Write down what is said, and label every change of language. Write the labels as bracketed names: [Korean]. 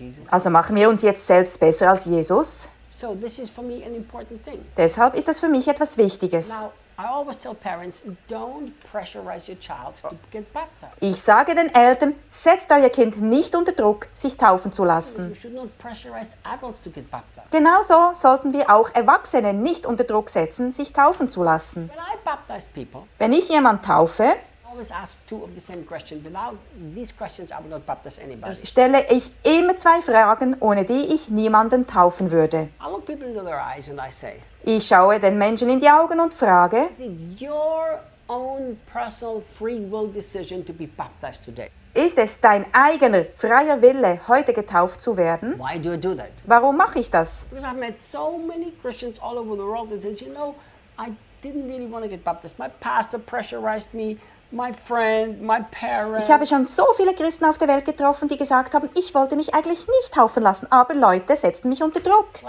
[German] Also machen wir uns jetzt selbst besser als Jesus? [English] So this is for me an important thing. [German] Deshalb ist das für mich etwas Wichtiges. [English] Now, I always tell parents, don't pressurize your child to get baptized. [German] Ich sage den Eltern, setzt euer Kind nicht unter Druck, sich taufen zu lassen. [English] You should not pressurize adults to get baptized. [German] Genauso sollten wir auch Erwachsene nicht unter Druck setzen, sich taufen zu lassen. [English] When I baptize people, [German] wenn ich jemanden taufe, stelle ich immer 2 Fragen, ohne die ich niemanden taufen würde. [English] I look people into their eyes and I say, [German] ich schaue den Menschen in die Augen und frage, [English] is it your own personal free will decision to be baptized today? [German] Ist es dein eigener freier Wille, heute getauft zu werden? [English] Why do I do that? [German] Warum mache ich das? [English] Because I've met so many Christians all over the world that says, you know, I didn't really want to get baptized. My pastor pressurized me. My friend, my parent. [German] Ich habe schon so viele Christen auf der Welt getroffen, die gesagt haben, ich wollte mich eigentlich nicht taufen lassen, aber Leute setzten mich unter Druck.